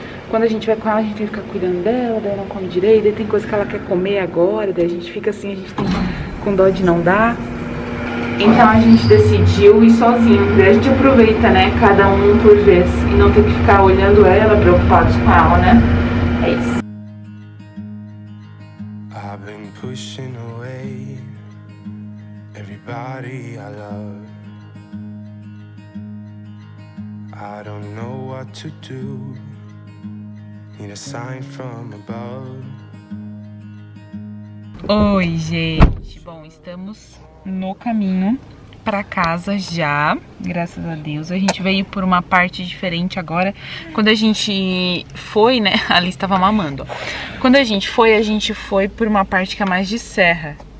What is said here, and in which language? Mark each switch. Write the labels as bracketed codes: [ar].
[pt] Quando a gente vai com ela, a gente tem que ficar cuidando dela, daí ela come direito, daí tem coisa que ela quer comer agora, daí a gente fica assim, a gente tem com dó de não dar. Então a gente decidiu ir sozinho, daí a gente aproveita, né? Cada um por vez e não tem que ficar olhando ela, preocupados com ela, né? É isso. [en] I've been pushing away everybody I love. I don't know what to do, need a sign from above. [pt] Oi, gente, bom, estamos no caminho pra casa já, graças a Deus. A gente veio por uma parte diferente agora. Quando a gente foi, né, a Alice tava mamando. Quando a gente foi por uma parte que é mais de serra.